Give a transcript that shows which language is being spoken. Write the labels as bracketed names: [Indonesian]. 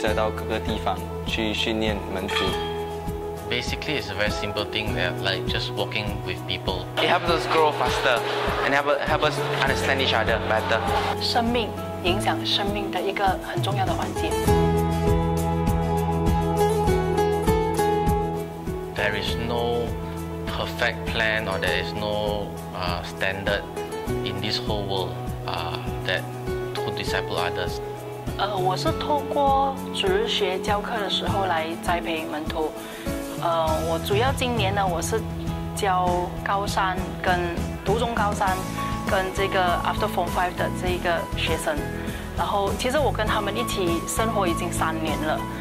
[Chinese] 要是陪伴一个信徒在灵里的成长。神的面前受训，让我们再到社区，再到各个地方去训练门徒。 [English] Basically, it's a very simple thing that like just walking with people. It helps us grow faster and help us understand each other better. [Chinese] 生命影响生命的一个很重要的环节。 [English] There is no perfect plan or there is no standard in this whole world that to disciple others. [Chinese] 我是透过主日学教课的时候来栽培门徒。我主要今年呢，我是教高三跟读中高三跟这个 [English] After Form 5 [Chinese] 的这个学生。然后其实我跟他们一起生活已经三年了。